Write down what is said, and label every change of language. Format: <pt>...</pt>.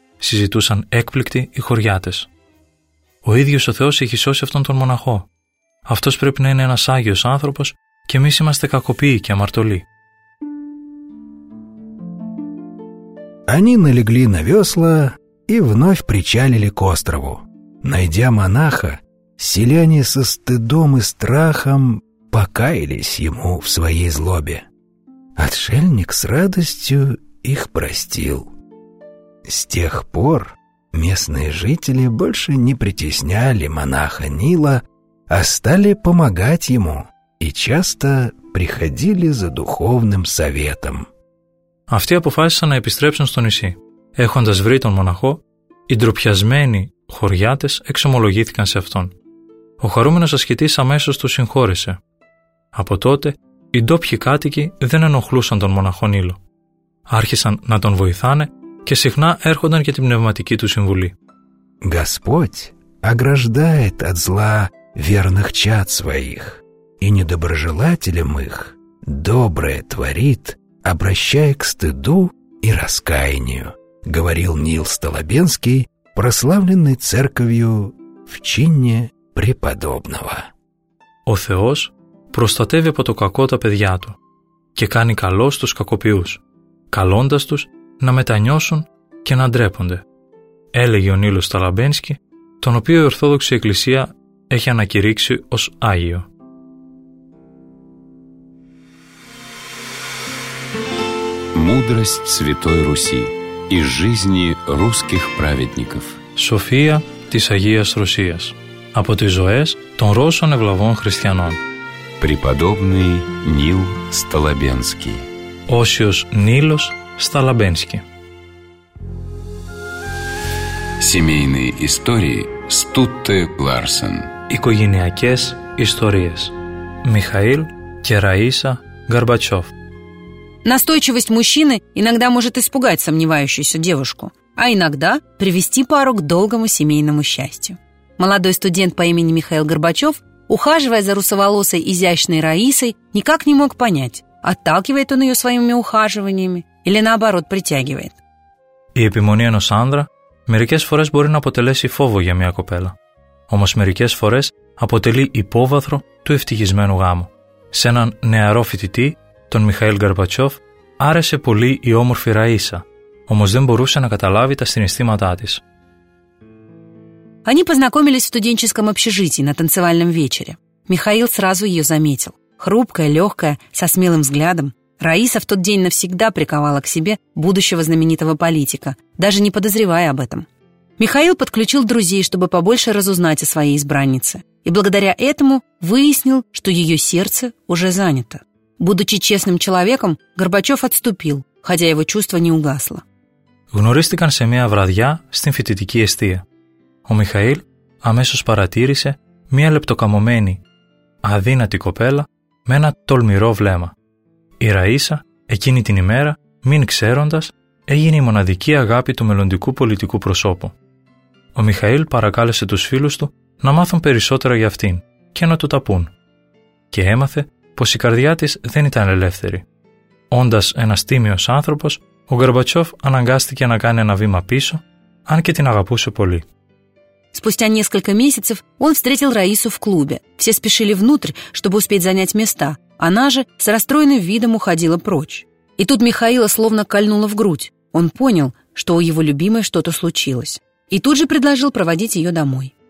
<el>συζητούσαν έκπληκτοι οι χωριάτες. «Ο ίδιος ο Θεός έχει σώσει αυτόν τον μοναχό. Αυτός πρέπει να είναι ένας άγιος άνθρωπος και εμείς είμαστε κακοποίοι και αμαρτωλοί».</el> <ru>Они налегли на весла и вновь причалили к острову. Найдя монаха, селяне со стыдом и страхом покаялись ему в своей злобе. Отшельник с радостью их простил. С тех пор местные жители больше не притесняли монаха Нила, а стали помогать ему и часто приходили за духовным советом.</ru> <el>Αυτοί αποφάσισαν να επιστρέψουν στο νησί. Έχοντας βρει τον μοναχό, οι ντροπιασμένοι χωριάτες εξομολογήθηκαν σε αυτόν. Ο χαρούμενος ασκητής αμέσως τους συγχώρεσε. Από τότε, οι ντόπιοι κάτοικοι δεν ενοχλούσαν τον μοναχό Νίλο. Άρχισαν να τον βοηθάνε και συχνά έρχονταν για την πνευματική του συμβουλή.</el> <ru>«Господь ограждает от зла верных чад своих, и недоброжелателям их доброе творит, обращая к стыду и раскаянию», говорил Нил Столобенский, прославленный церковью в чине преподобного.</ru> <el>«Ο Θεός προστατεύει από το κακό τα παιδιά του και κάνει καλό στους κακοποιούς, καλώντας τους να μετανιώσουν και να ντρέπονται», έλεγε ο Νίλος Σταλαμπένσκι, τον οποίο η Ορθόδοξη Εκκλησία έχει ανακηρύξει ως Άγιο.</el> <ru>Мудрость Святой Руси и жизни русских праведников.</ru> <el>Σοφία της Αγίας Ρωσίας από τις ζωές των Ρώσων Ευλαβών Χριστιανών.</el> <ru>Преподобный Нил Столобенский.</ru> <el>Όσιος Νίλος Сталабенский.</el> <ru>Семейные истории Стутте Ларсен.</ru> <el>Οικογενειακές ιστορίες. Михаил και Раиса Горбачев.</el> <ru>Настойчивость мужчины иногда может испугать сомневающуюся девушку, а иногда привести пару к долгому семейному счастью. Молодой студент по имени Михаил Горбачев, ухаживая за русоволосой изящной Раисой, никак не мог понять, отталкивает он ее своими ухаживаниями или наоборот притягивает.</ru> <el>Η επιμονή ενός άνδρα μερικές φορές μπορεί να αποτελέσει φόβο για μια κοπέλα. Όμως μερικές φορές αποτελεί υπόβαθρο του ευτυχισμένου γάμου. Σε έναν νεαρό φοιτητή, τον Μιχαήλ Γκαρμπατσόφ, άρεσε πολύ η όμορφη Ραΐσα, όμως δεν μπορούσε να καταλάβει τα συναισθήματά της.</el> <ru>Они познакомились в студенческом общежитии на танцевальном вечере. Михаил сразу ее заметил. Хрупкая, легкая, со смелым взглядом. Раиса в тот день навсегда приковала к себе будущего знаменитого политика, даже не подозревая об этом. Михаил подключил друзей, чтобы побольше разузнать о своей избраннице. И благодаря этому выяснил, что ее сердце уже занято. Будучи честным человеком, Горбачев отступил, хотя его чувство не угасло.</ru> <el>Гнористикан се мя врадья стин фитетики эстия. Ο Михаήλ αμέσως παρατήρησε μία λεπτοκαμωμένη, αδύνατη κοπέλα με ένα τολμηρό βλέμμα. Η Ραΐσα, εκείνη την ημέρα, μην ξέροντας, έγινε η μοναδική αγάπη του μελλοντικού πολιτικού προσώπου. Ο Μιχαήλ παρακάλεσε τους φίλους του να μάθουν περισσότερα για αυτήν και να του τα πούν. Και έμαθε πως η καρδιά της δεν ήταν ελεύθερη. Όντας ένας τίμιος άνθρωπος, ο Γκορμπατσόφ αναγκάστηκε να κάνει ένα βήμα πίσω, αν και την αγαπούσε πολύ.</el> <ru>Спустя несколько месяцев он встретил Раису в клубе. Все спешили внутрь, чтобы успеть занять места. Она же с расстроенным видом уходила прочь. И тут Михаила словно кольнуло в грудь. Он понял, что у его любимой что-то случилось. И тут же предложил проводить ее домой.</ru>